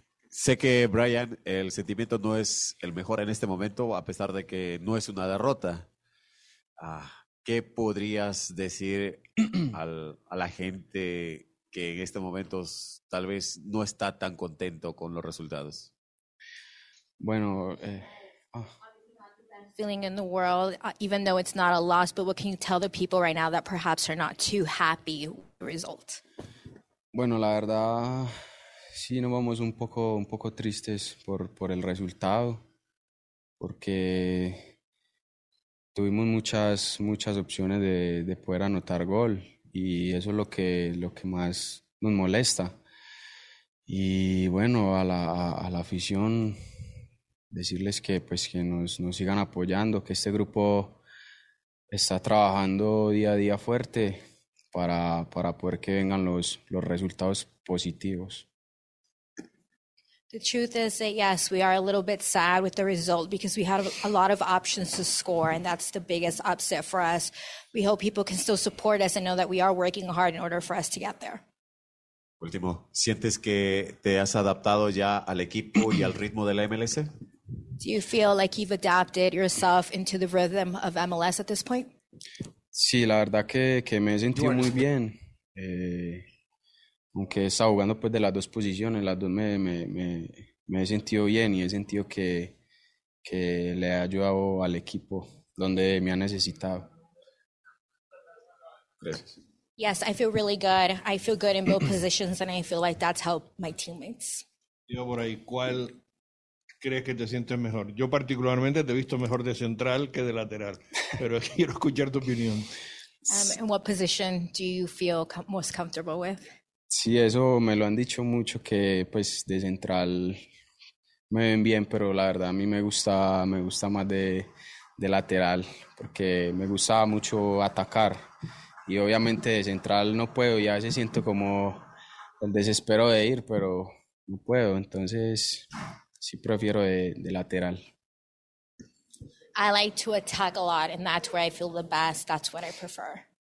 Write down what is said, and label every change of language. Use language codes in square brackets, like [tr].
[es] Sé que, Brian, el sentimiento no es el mejor en este momento, a pesar de que no es una derrota. ¿Qué podrías decir a la gente que en este momento tal vez no está tan contento con los resultados? Bueno, [en] feeling in the world, even though it's not a loss, but what can you tell the people right now that perhaps are not too happy with the result? [es] Bueno, la verdad, sí, nos vamos un poco tristes por el resultado, porque tuvimos muchas opciones de poder anotar gol, y eso es lo que más nos molesta. Y bueno, a la afición, decirles que pues que nos sigan apoyando, que este grupo está trabajando día a día fuerte para poder que vengan los resultados positivos. [en] The truth is that, yes, we are a little bit sad with the result because we had a lot of options to score, and that's the biggest upset for us. We hope people can still support us and know that we are working hard in order for us to get there. [es] Último, ¿sientes que te has adaptado ya al equipo y al ritmo de la MLS? [en] Do you feel like you've adapted yourself into the rhythm of MLS at this point? [es] Sí, la verdad que me he sentido muy bien. Aunque he estado jugando pues de las dos posiciones, las dos me he sentido bien y he sentido que le he ayudado al equipo donde me ha necesitado. Gracias. [en] Yes, I feel really good. I feel good in both positions and I feel like that's helped my teammates. [es] Yo por ahí, ¿cuál crees que te sientes mejor? Yo particularmente te he visto mejor de central que de lateral, pero quiero escuchar tu opinión. [en] In what position do you feel most comfortable with? [es] Sí, eso me lo han dicho mucho, que pues de central me ven bien, pero la verdad a mí me gusta más de lateral, porque me gusta mucho atacar y obviamente de central no puedo, ya se siento como el desespero de ir, pero no puedo, entonces sí prefiero de lateral. [en] I like to attack a lot and that's where I feel the best, that's what I prefer.